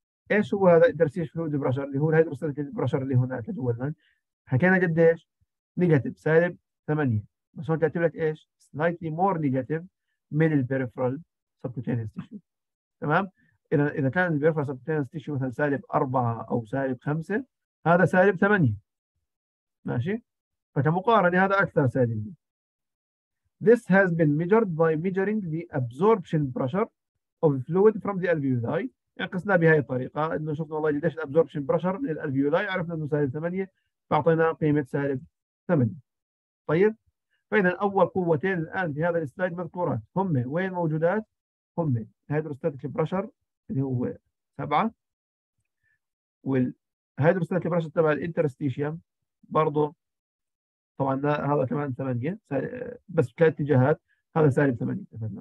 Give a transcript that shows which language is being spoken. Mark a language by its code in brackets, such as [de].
[ar] ايش هو هذا الانترستيشيال فلويد بريشر اللي هو الهيدروستاتيك بريشر اللي هنا تجولنا؟ حكينا قديش؟ نيجاتيف سالب 8، بس هون كاتب لك ايش؟ سلايتلي مور نيجاتيف من البريفرال سبكوتينيوس تيشو، تمام؟ اذا كان البريفرال سبكوتينيوس تيشو مثلا سالب 4 او سالب 5 هذا سالب 8، ماشي؟ فكمقارنة هذا أكثر سالبية. [en] This has been measured by measuring the absorption pressure of fluid from the alveoli. [ar] يعني قسناه بهذه الطريقة إنه شفنا والله قديش absorption pressure من الالفيولاي، عرفنا إنه سالب 8 فأعطينا قيمة سالب 8. طيب فإذا أول قوتين الآن في هذا السلايد مذكورات، هم وين موجودات؟ هم الهيدروستاتيك بريشر اللي هو 7 والهيدروستاتيك بريشر تبع الانترستيشيوم برضه طبعا هذا كمان 8 بس في اتجاهات، هذا سالب 8 اتفقنا.